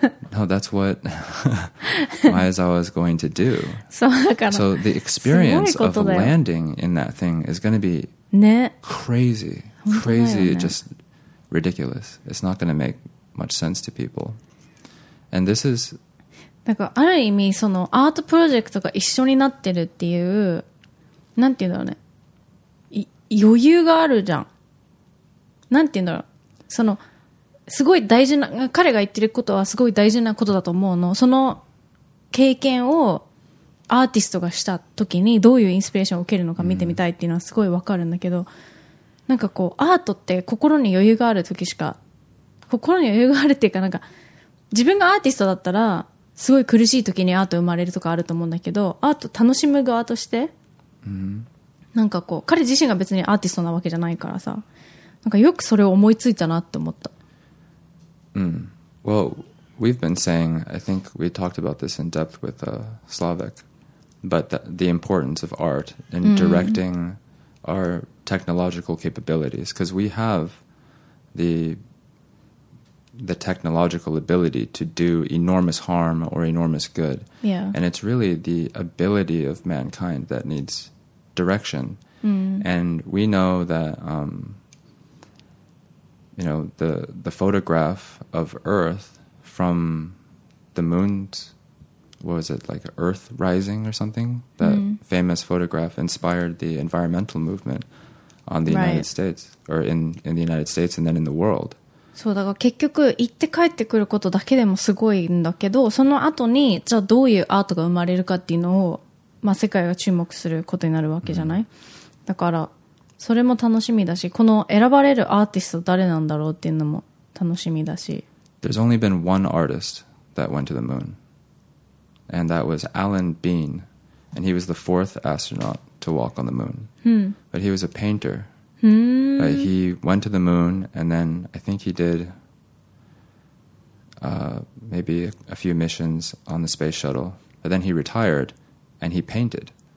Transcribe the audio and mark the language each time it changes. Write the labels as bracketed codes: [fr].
[en] No, that's what Maezawa is going to do. [ja] そうだから。 [en] So the experience of landing in that thing is going to be crazy. Crazy, just ridiculous. It's not going to make much sense to people. And this is... [ja] だからある意味そのアートプロジェクトが一緒になってるっていう、なんていうんだろうね。余裕があるじゃん。なんて言うんだろう、そのすごい大事な、彼が言ってることはすごい大事なことだと思うの。その経験をアーティストがした時にどういうインスピレーションを受けるのか見てみたいっていうのはすごいわかるんだけど、なんかこうアートって心に余裕がある時しか、心に余裕があるっていうか、なんか自分がアーティストだったらすごい苦しい時にアート生まれるとかあると思うんだけど、アート楽しむ側として、なんかこう彼自身が別にアーティストなわけじゃないからさ、なんかよくそれを思いついたなって思った。 [en] Well, we've been saying, I think we talked about this in depth with Slavik, but the importance of art in directing our technological capabilities, because we have the technological ability to do enormous harm or enormous good. Yeah. And it's really the ability of mankind that needs direction. And we know that... you know, the photograph of Earth from the moon's, what was it, like Earth rising or something? That famous photograph inspired the environmental movement on the United States, or in the United States and then in the world. [ja] そう、だから結局行って帰ってくることだけでもすごいんだけど、その後にじゃあどういうアートが生まれるかっていうのを、まあ、世界が注目することになるわけじゃない？だからそれも楽しみだし、この選ばれるアーティスト誰なんだろうっていうのも楽しみだし。 [en] There's only been one artist that went to the moon, and that was Alan Bean, and he was the fourth astronaut to walk on the moon. But he was a painter. He went to the moon, and then I think he did maybe a few missions on the space shuttle, but then he retired, and he painted.